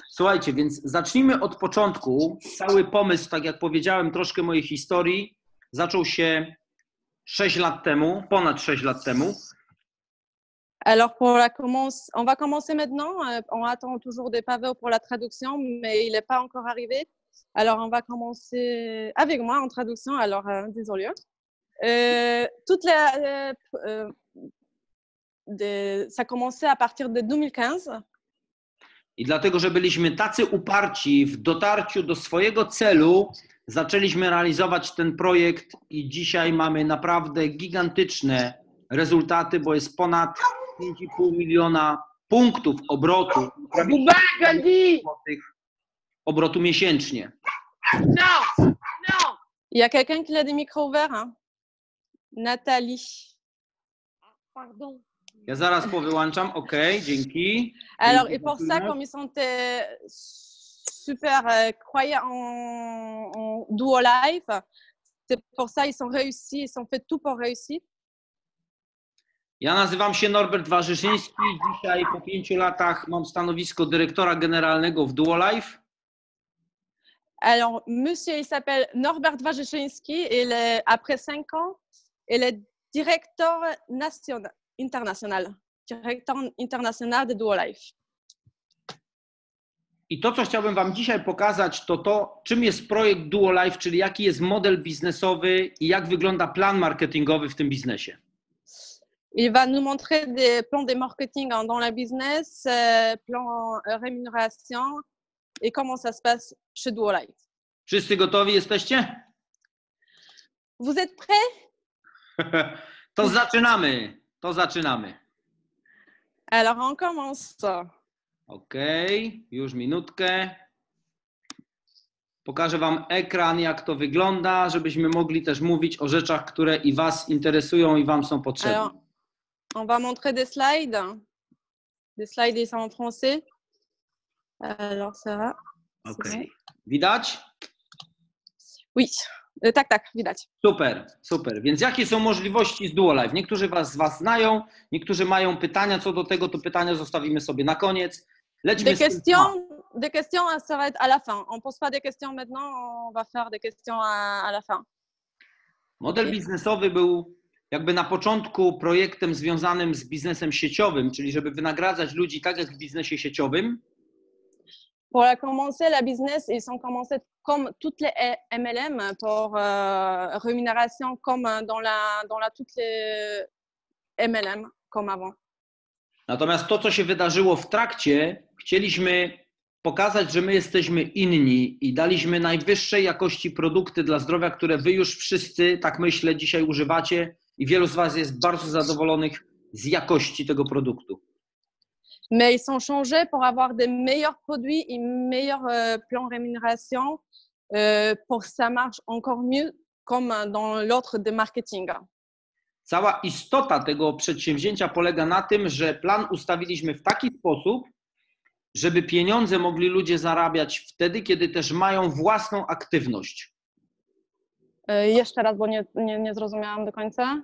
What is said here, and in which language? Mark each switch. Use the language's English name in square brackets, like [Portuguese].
[Polish] Słuchajcie, więc zacznijmy od początku. Cały pomysł, tak jak powiedziałem, troszkę mojej historii, zaczął się 6 lat temu, ponad 6 lat temu. [French] Alors pour la commence, on va commencer maintenant. On attend toujours des Pavel pour la traduction, mais il n'est pas encore arrivé. Alors on va commencer avec moi en traduction. Alors désolé. Toute la, ça a commencé à partir de 2015. [Polish] I dlatego, że byliśmy tacy uparci w dotarciu do swojego celu, zaczęliśmy realizować ten projekt i dzisiaj mamy naprawdę gigantyczne rezultaty, bo jest ponad 5,5 miliona punktów obrotu. Buba, Goldi! Obrotu miesięcznie. No! No! [French] Y a quelqu'un qui a des micros ouverts, hein? Nathalie. Pardon. [Polish] Ja zaraz powyłączam, ok, dzięki. [French] Alors, et pour ça, comme ils sont super croyants en duo life, c'est pour ça ils sont réussi, ils ont fait tout pour réussir. [Polish] Ja nazywam się Norbert Warzyszyński, dzisiaj po 5 latach mam stanowisko dyrektora generalnego w duo life. [French] Alors, monsieur, il s'appelle Norbert Warzyszyński, il est après 5 ans, il est directeur national. International, dyrektor international de Duo Life. [Polish] I to, co chciałbym Wam dzisiaj pokazać, to to, czym jest projekt Duo Life, czyli jaki jest model biznesowy i jak wygląda plan marketingowy w tym biznesie. [French] Il va nous montrer des plans de marketing dans le business, plan rémunération et comment ça se passe chez Duo Life. [Polish] Wszyscy gotowi jesteście? [French] Vous êtes prêts? [Polish] To zaczynamy. To zaczynamy. [French] Alors on commence. [Polish] Ok, już minutkę. Pokażę Wam ekran, jak to wygląda, żebyśmy mogli też mówić o rzeczach, które i Was interesują i Wam są potrzebne. [French] Alors, on va montrer des slides. Des slides sont en français. Alors ça va. [Polish] Ok. Widać? Oui. Tak, tak, widać. Super, super. Więc jakie są możliwości z Duo Life? Niektórzy z was znają, niektórzy mają pytania co do tego, to pytania zostawimy sobie na koniec. Lećmy [French] des questions, des questions ça va être à la fin. On pose pas des questions maintenant, on va faire des questions à la fin. [Polish] Model biznesowy był jakby na początku projektem związanym z biznesem sieciowym, czyli żeby wynagradzać ludzi tak jak w biznesie sieciowym. [French] Pour commencer la business, ils ont commencé comme toutes les MLM pour rémunération comme dans la toutes les MLM comme avant. [Polish] Natomiast to, co się wydarzyło w trakcie, chcieliśmy pokazać, że my jesteśmy inni i daliśmy najwyższej jakości produkty dla zdrowia, które wy już wszyscy, tak myślę, dzisiaj używacie i wielu z was jest bardzo zadowolonych z jakości tego produktu. [French] Mais ils sont changés pour avoir des meilleurs produits et meilleurs plans de rémunération pour que ça marche encore mieux comme dans l'autre de marketing. [Polish] Cała istota tego przedsięwzięcia polega na tym, że plan ustawiliśmy w taki sposób, żeby pieniądze mogli ludzie zarabiać wtedy, kiedy też mają własną aktywność. Jeszcze raz, bo nie zrozumiałam do końca.